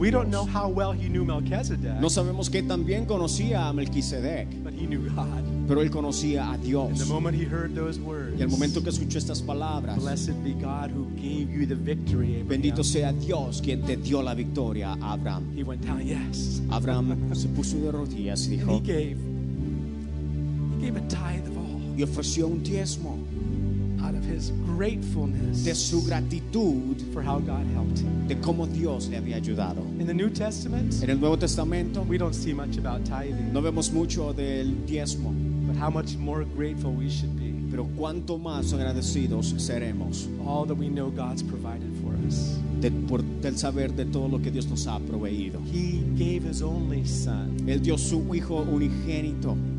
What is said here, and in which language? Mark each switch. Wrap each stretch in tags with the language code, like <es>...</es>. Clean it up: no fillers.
<en>We don't know how well he knew Melchizedek.</en> <es>No sabemos qué tan bien conocía a Melquisedec.</es> <en>But he knew God.</en> <es>Pero él conocía a Dios.</es> <en>And the moment he heard those words,</en> <es>y al momento que escuchó estas palabras,</es> <en>blessed be God who gave you the victory, Abraham.</en> <es>Bendito sea Dios quien te dio la victoria, Abraham.</es> <en>He went down, yes.</en> <es>Abraham se puso de rodillas y dijo,</es> <en>and he gave a tithe of all.</en> <es>Y ofreció un diezmo.</es> <en>Out of his gratefulness,</en> <es>de su gratitud,</es> <en>for how God helped him,</en> <es>de cómo Dios le había ayudado.</es> <en>In the New Testament,</en> <es>en el Nuevo Testamento,</es> <en>we don't see much about tithing.</en> <es>No vemos mucho del diezmo.</es> <en>But how much more grateful we should be.</en> <es>Pero cuánto más agradecidos seremos.</es> <en>All that we know God's provided for us.</en> <es>Del saber de todo lo que Dios nos ha proveído.</es> <en>He gave his only son.</en> <es>Él dio su hijo unigénito.</es>